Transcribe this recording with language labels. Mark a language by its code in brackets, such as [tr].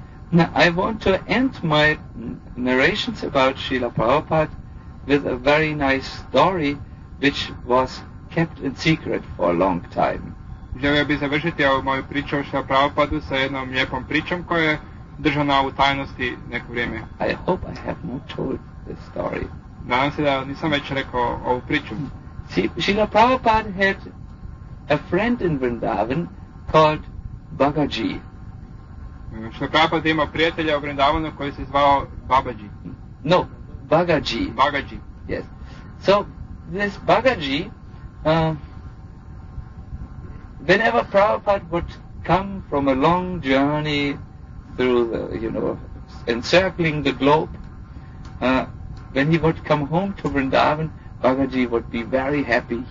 [en] Now, I want to end my narrations about Srila Prabhupada with a very nice story which was kept in secret for a long time. [hr] Želio bih završiti ovu moju priču o Srila Prabhupada sa jednom lijepom pričom koja je držana u tajnosti neko vrijeme. [en] I hope I have not told this story. [hr] Nadam se da nisam već rekao ovu priču. [en] Srila Prabhupada had a friend in Vrindavan called Babaji. [hr] Srila Prabhupada ima prijatelja u Vrindavanu koji se zvao Babaji. [en] No, Bhagaji. Bhagaji. Yes. So, this Bhagaji, whenever Prabhupada would come from a long journey through the, you know, encircling the globe, when he would come home to Vrindavan, Bhagaji would be very happy.